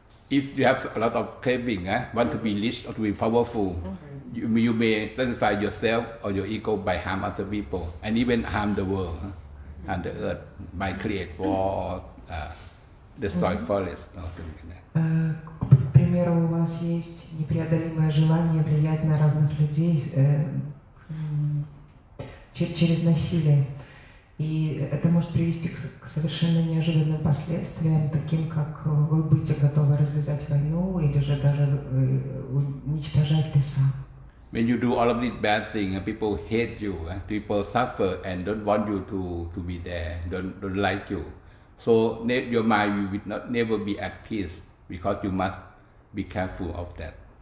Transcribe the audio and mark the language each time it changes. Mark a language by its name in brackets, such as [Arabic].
[English] If you have a lot of craving, want to be rich or to be powerful, you may satisfy yourself or your ego by harm other people and even harm the world. And the earth by create war or destroy forests or something like that. [Russian] К примеру, у вас есть непреодолимое желание влиять на разных людей через насилие. И это может привести к совершенно неожиданным последствиям, таким как вы будете готовы развязать войну или же даже уничтожать леса. [English] When you do all of these bad things, people hate you, people suffer and don't want you to be there, don't like you. So your mind will never be at peace because you must be careful of that.